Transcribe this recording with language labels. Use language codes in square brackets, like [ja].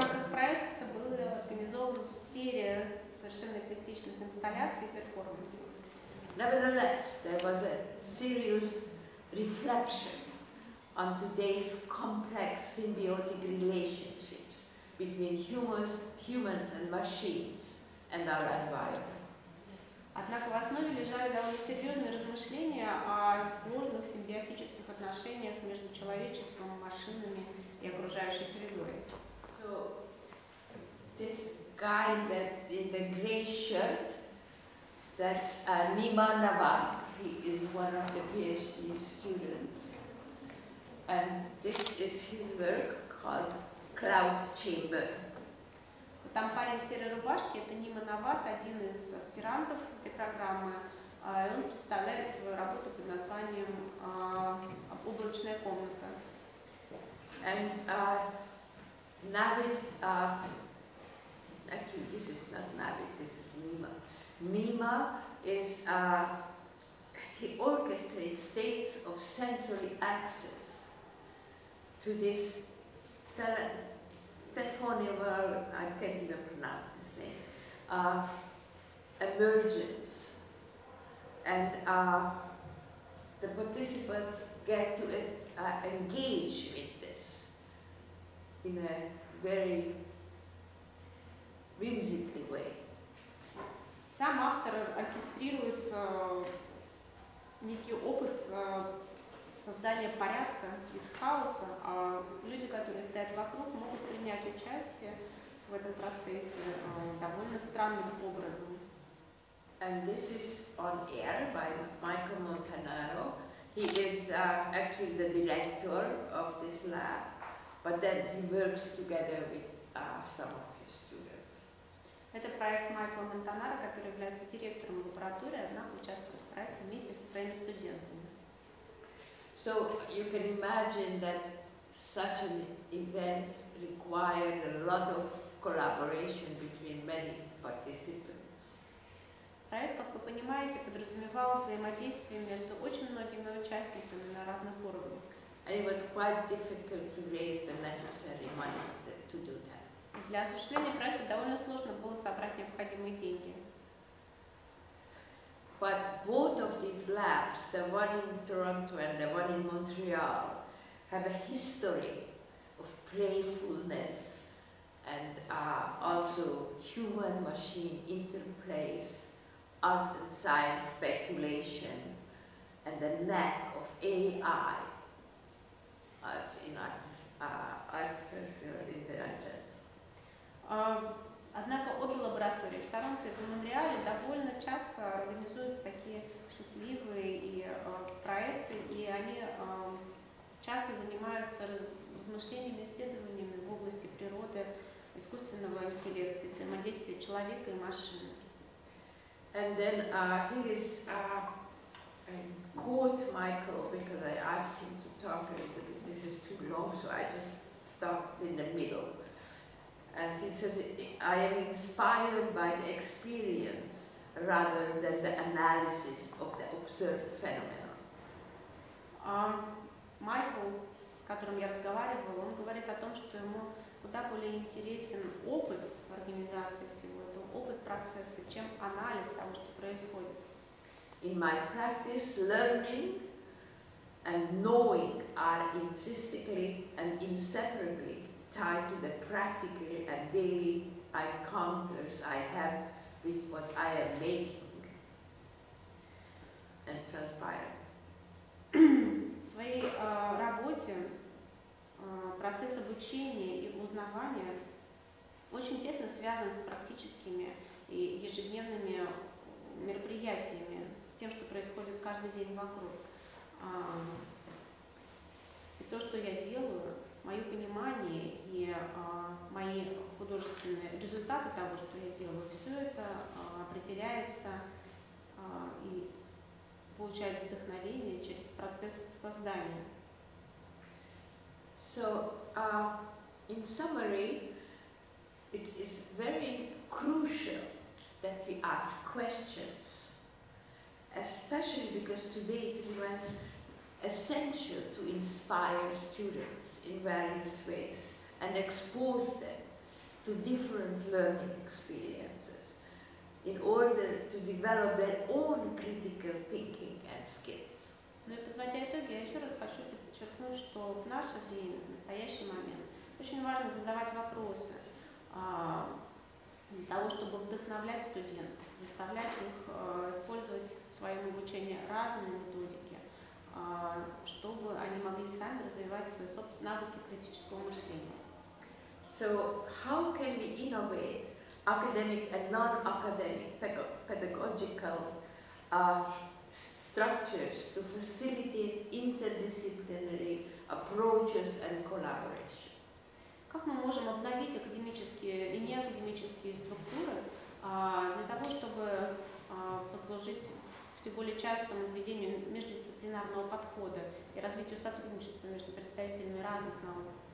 [ru] Проекта была организована серия совершенно эклектичных инсталляций и перформансов. [en] Nevertheless, there was a serious reflection on today's complex symbiotic relationship between humans and machines and our environment. [ru] Однако в основе лежали довольно серьезные размышления о сложных симбиотических отношениях между человечеством, машинами и окружающей средой. [en] So this guy that in the gray shirt, that's Nima Nawab. He is one of the PhD students. And this is his work called Cloud Chamber. [ru] Там парень в серой рубашке, это Нима Нават, один из аспирантов этой программы. Он представляет свою работу под названием «Облачная комната». [en] And Navid, actually this is not Navid, this is Nima. Nima is, he orchestrates states of sensory access to this telephonical, I can't even pronounce this name, emergence. And the participants get to engage with this in a very whimsical way. [ru] Сам автор оркестрирует некий опыт создания порядка из хаоса, а люди, которые стоят вокруг, могут принять участие в этом процессе довольно странным образом. [en] And this is on air by Michael Montanaro. He is actually the director of this lab, but then he works together with some of his students. [ru] Это проект Майкла Монтанаро, который является директором лаборатории, однако участвует в проекте вместе со своими студентами. [en] So you can imagine that such an event required a lot of collaboration between many participants. [ru] Проект, как вы понимаете, подразумевал взаимодействие между очень многими участниками на разных уровнях. [en] And it was quite difficult to raise the necessary money to do that. [ru] Для осуществления проекта довольно сложно было собрать необходимые деньги. [en] But both of these labs, the one in Toronto and the one in Montreal, have a history of playfulness and also human-machine interplays. Art and science speculation and the lack of AI as in artificial intelligence. [ru] Однако обе лаборатории в Торонто и в Монреале довольно часто организуют такие шутливые и проекты, и они часто занимаются размышлениями, исследованиями в области природы, искусственного интеллекта, взаимодействия человека и машины. [en] And then here is, I quote Michael because I asked him to talk a little bit. This is too long, so I just stopped in the middle. And he says, I am inspired by the experience rather than the analysis of the observed phenomena. [ru] Michael, с которым я разговаривала, он говорит о том, что ему куда более интересен опыт в организации всего этого, опыт процесса, чем анализ того, что происходит. [en] In my practice, learning and knowing are intrinsically and inseparably tied to the practical and daily encounters I have with what I am making and transpiring. [ru] В своей работе процесс обучения и узнавания очень тесно связан с практическими и ежедневными мероприятиями, с тем, что происходит каждый день вокруг. И то, что я делаю, мое понимание и мои художественные результаты того, что я делаю, все это определяется и получает вдохновение через процесс создания. [en] So, in summary, it is very crucial that we ask questions, especially because today it remains essential to inspire students in various ways and expose them to different learning experiences in order to develop their own critical thinking and skills. [ru] Подчеркнуть, что в наше время, в настоящий момент, очень важно задавать вопросы для того, чтобы вдохновлять студентов, заставлять их использовать в своем обучении разные методики, чтобы они могли сами развивать свои собственные навыки критического мышления. [en] So, how can we innovate academic and non-academic pedagogical structures to facilitate interdisciplinary approaches and collaboration. [ru] Как мы можем обновить академические и неакадемические структуры для того, чтобы послужить все более частому введению междисциплинарного подхода и развитию сотрудничества между представителями разных наук?